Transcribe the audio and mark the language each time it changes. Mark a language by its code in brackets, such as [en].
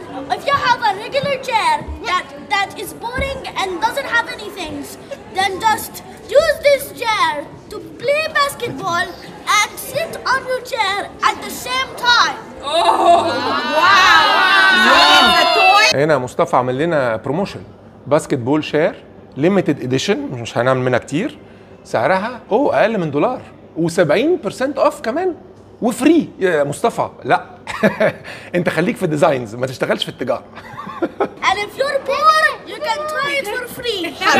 [en] If you have a regular chair that is boring and doesn't have any things, then just use this chair to play basketball and sit on your chair at the same time. [ar] هنا مصطفى عمل لنا بروموشن، باسكت بول شير ليميتد اديشن، مش هنعمل منها كتير، سعرها اقل من دولار و70% اوف كمان وفري. يا مصطفى لا انت خليك في الديزاينز، ما تشتغلش في التجاره. [en] And if you're poor you can try it for free.